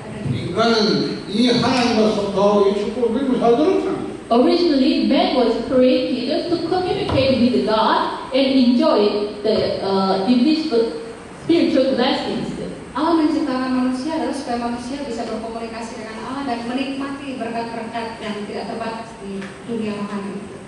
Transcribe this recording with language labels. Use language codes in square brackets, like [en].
[ko] 인간은 이 하나님으로부터 이 축복을 믿고 살도록 합니다. [en] Originally, man was created to communicate with God and enjoy the invisible spiritual blessings. [ko] 아멘. [id] 만 manusia adalah supaya manusia bisa berkomunikasi dengan Allah dan menikmati berkat-berkat yang tidak terbatas di dunia rohani.